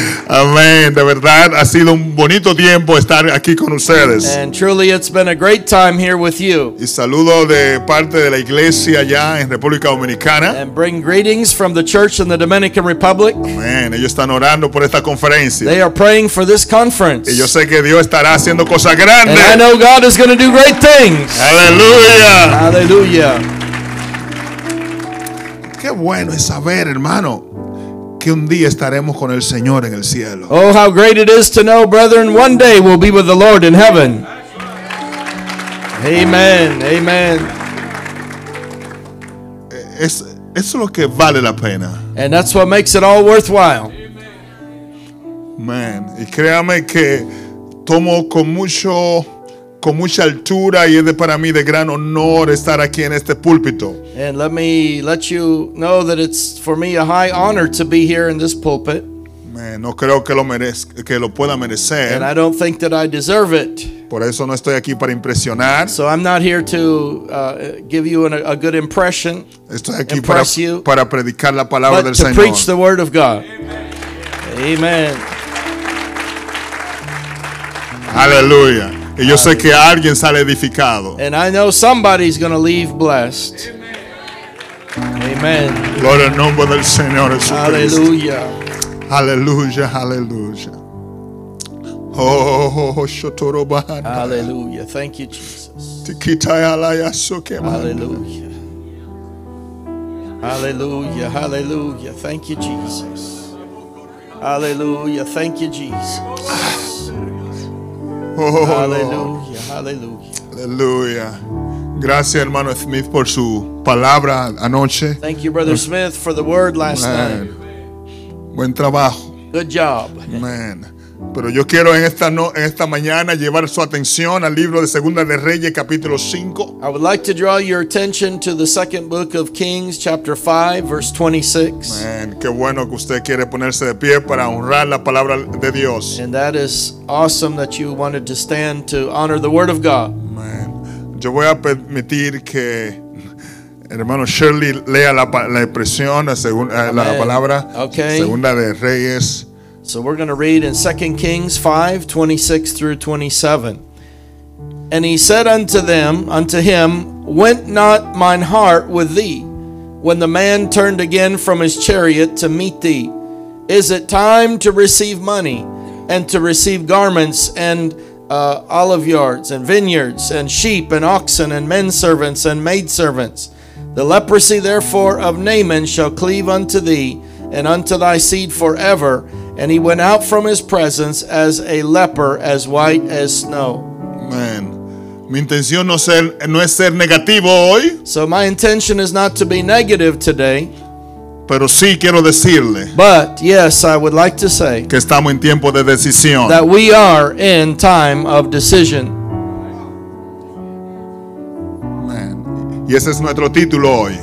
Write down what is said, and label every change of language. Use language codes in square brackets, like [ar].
[es] Amén, de verdad ha sido un bonito tiempo estar aquí con ustedes. [en] And truly it's been a great time here with you. [es] Y saludo de parte de la iglesia allá en República Dominicana. [en] And bring greetings from the church in the Dominican Republic. [es] Amén, ellos están orando por esta conferencia. [en] They are praying for this conference. [es] Y yo sé que Dios estará haciendo cosas grandes. [en] And I know God is going to do great things. [es] Aleluya. Aleluya. Qué bueno es saber, hermano, que un día estaremos con el Señor en el cielo. [en] Oh, how great it is to know, brethren, one day we'll be with the Lord in heaven. Amen. Amen. [es] Eso es lo que vale la pena. [en] And that's what makes it all worthwhile. [es] Man, y créame que tomo con mucha altura y es para mí de gran honor estar aquí en este púlpito. [en] And let me let you know that it's for me a high honor to be here in this pulpit. [es] Man, no creo que lo merezca, que lo pueda merecer. [en] And I don't think that I deserve it. [es] Por eso no estoy aquí para impresionar. [en] So I'm not here to give you a good impression. [es] Estoy aquí para predicar la palabra del Señor. [en] To preach the word of God. Amen. Amen. [es] Aleluya. Y yo sé que alguien sale edificado. [en] And I know somebody's going to leave blessed. Amen. [es] Gloria al nombre del Señor Jesucristo. Aleluya. Aleluya, aleluya. Oh, shotorobahan. [en] Aleluya. Thank you, Jesus. Tikita alaya sokema. [es] Aleluya. Aleluya, aleluya. [en] Thank you, Jesus. Aleluya. Thank you, Jesus. Oh, [es] aleluya, aleluya. Aleluya. Gracias, hermano Smith, por su palabra anoche. [en] Thank you, Brother Smith, for the word last night. [es] Buen trabajo. [en] Good job. Man. [es] Pero yo quiero en esta mañana llevar su atención al libro de Segunda de Reyes, capítulo 5. [en] I would like to draw your attention to the second book of Kings, chapter 5, verse 26. [es] Man, qué bueno que usted quiere ponerse de pie para honrar la palabra de Dios. [en] And that is awesome that you wanted to stand to honor the word of God. [es] Man, yo voy a permitir que hermano Shirley lea la expresión, la palabra, [en] okay. [es] Segunda de Reyes. [en] So we're going to read in 2 Kings 5, 26 through 27. And he said unto him, went not mine heart with thee, when the man turned again from his chariot to meet thee? Is it time to receive money, and to receive garments, and olive yards, and vineyards, and sheep, and oxen, and men servants, and maid servants? The leprosy therefore of Naaman shall cleave unto thee and unto thy seed forever. And he went out from his presence as a leper, as white as snow. [es] Man, mi intención no es ser negativo hoy. [en] So my intention is not to be negative today. [es] Pero sí quiero decirle. [en] But yes, I would like to say. [es] Que estamos en tiempo de decisión. [en] That we are in time of decision. [es] Y ese es nuestro título hoy.